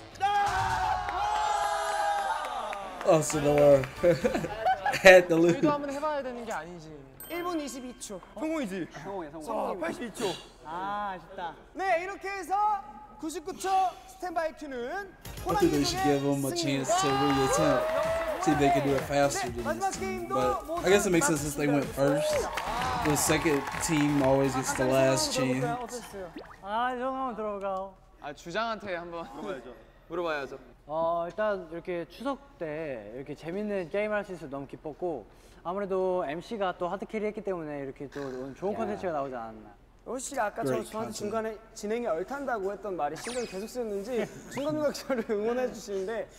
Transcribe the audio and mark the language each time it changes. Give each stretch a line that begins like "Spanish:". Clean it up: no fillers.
Korean: 가위바위보 가위바위보 우리도 한번 해봐야 되는 게 아니지. 1분 22초 성공이지? 성공이야 성공. 82초 아 아쉽다. 네 이렇게 해서 99초 스탠바이 큐는 호랑이
English: I think they should give them a chance to really attempt see if they can do it faster than this. But I guess it makes sense since they went first. The second team always gets the last chance.
Korean: 아 형 한번 들어볼까? 아 주장한테 한번 물어봐야죠. 어 일단 이렇게 추석 때 이렇게 재밌는 게임 할 수 있어서 너무 기뻤고 아무래도 MC가 또 하드캐리 했기 때문에 이렇게 또 좋은 yeah. 콘텐츠가 나오지 않았나. 호시가 아까 저한테 중간에 진행이 얼탄다고 했던 말이 신경 계속 쓰였는지 중간중간 저를 응원해 주시는데